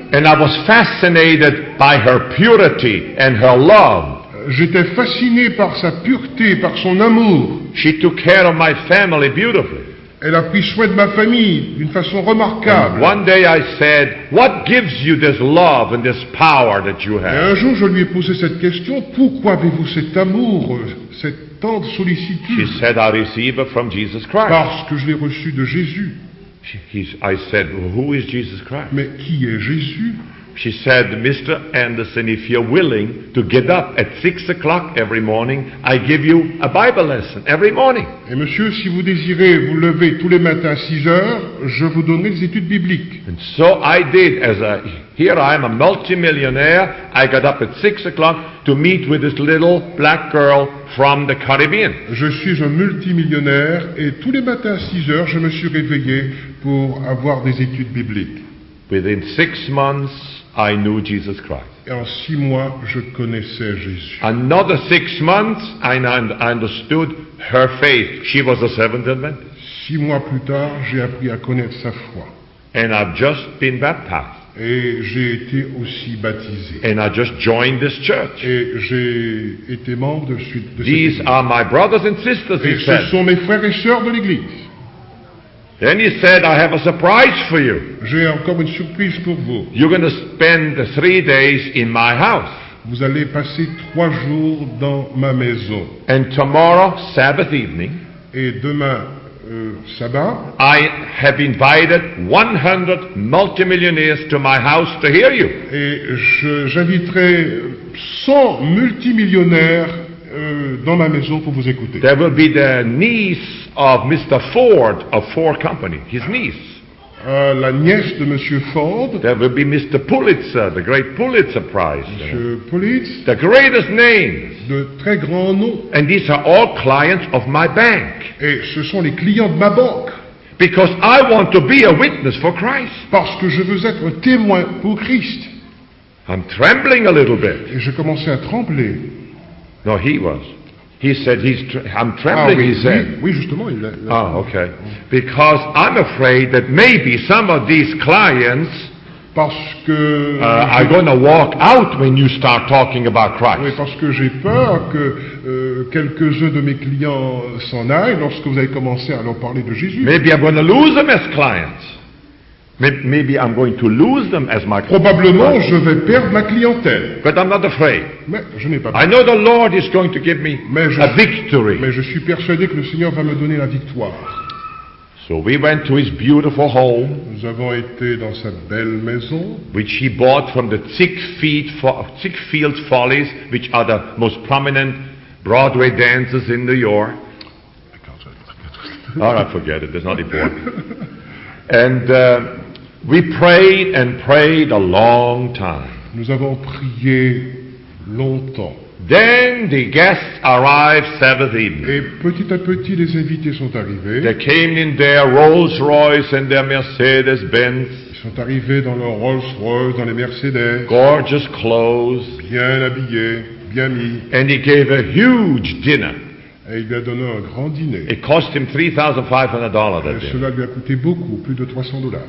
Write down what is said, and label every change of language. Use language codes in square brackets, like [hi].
[en] And I was fascinated by her purity and her love. [fr] J'étais fasciné par sa pureté, par son amour. [en] She took care of my family beautifully. [fr] Elle a pris soin de ma famille d'une façon remarquable. [en] One day I said, what gives you this love and this power that you have? [fr] Et un jour je lui ai posé cette question, pourquoi avez-vous cet amour, cette tendre sollicitude? [en] She said, I receive it from Jesus Christ. [fr] Parce que je l'ai reçu de Jésus. [en] I said, who is Jesus Christ? [fr] Mais qui est Jésus? [en] She said, Mr. Anderson, if you're willing to get up at 6 o'clock every morning, I give you a Bible lesson every morning. [fr] Et monsieur, si vous désirez vous lever tous les matins à 6 heures, je vous donnerai des études bibliques. [en] And so I did. Here I am, a multimillionaire. I got up at 6 o'clock to meet with this little black girl from the Caribbean. [fr] Je suis un multimillionnaire et tous les matins à 6 heures, je me suis réveillé pour avoir des études bibliques. [en] Within 6 months, I knew Jesus Christ. [fr] Et en 6 mois, je connaissais Jésus. [en] Another 6 months, I understood her faith. She was a Seventh Adventist. [fr] 6 mois plus tard, j'ai appris à connaître sa foi. [en] And I've just been baptized. [fr] Et j'ai été aussi baptisé. [en] And I just joined this church. [fr] Et j'ai été membre de cette église. [en] These are my brothers and sisters, [fr] et [en] he said. [fr] Et ce sont mes frères et sœurs de l'église. [en] Then he said, I have a surprise for you. [fr] J'ai encore une surprise pour vous. [en] You're going to spend 3 days in my house. [fr] Vous allez passer 3 jours dans ma maison. [en] And tomorrow, Sabbath evening, [fr] et demain, sabbat, [en] I have invited 100 multimillionaires to my house to hear you. [fr] Et j'inviterai 100 multimillionnaires dans ma maison pour vous écouter. [en] There will be the niece of Mr. Ford of Ford Company, his niece. [fr] La nièce de Monsieur Ford. [en] There will be Mr. Pulitzer, the great Pulitzer Prize. [fr] Monsieur Pulitz. [en] The greatest names. [fr] De très grands noms. [en] And these are all clients of my bank. [fr] Et ce sont les clients de ma banque. [en] Because I want to be a witness for Christ. [fr] Parce que je veux être témoin pour Christ. [en] I'm trembling a little bit. [fr] Et je commençais à trembler. [en] No, he was. He said, I'm trembling, [fr] ah, oui, [en] he said. [fr] Oui, justement. Il a, [en] ah, okay. Because I'm afraid that maybe some of these clients [fr] parce que [en] are going to walk out when you start talking about Christ. [fr] Oui, parce que j'ai peur que quelques-uns de mes clients s'en aillent lorsque vous avez commencé à leur parler de Jésus. [en] Maybe I'm going to lose them as clients. Maybe I'm going to lose them as my [fr] probablement client. Je vais perdre ma clientèle. [en] But I'm not afraid. [fr] Mais je n'ai pas peur. [en] I know the Lord is going to give me a victory. [fr] Mais je suis persuadé que le Seigneur va me donner la victoire. [en] So we went to his beautiful home. [fr] Nous avons été dans sa belle maison. [en] Which he bought from the Ziegfeld Follies, which are the most prominent Broadway dancers in New York. I forget it. It's not important. And we prayed and prayed a long time. [fr] Nous avons prié longtemps. [en] Then the guests arrived Saturday evening. [fr] Et petit à petit, les invités sont arrivés. [en] They came in their Rolls Royce and their Mercedes Benz. [fr] Ils sont arrivés dans leurs Rolls Royce, dans les Mercedes. [en] Gorgeous clothes. [fr] Bien habillés, bien mis. [en] And he gave a huge dinner. [fr] Et il lui a donné un grand dîner. [en] It cost him $3,500 that day. [fr] Et cela lui a coûté beaucoup, plus de $300.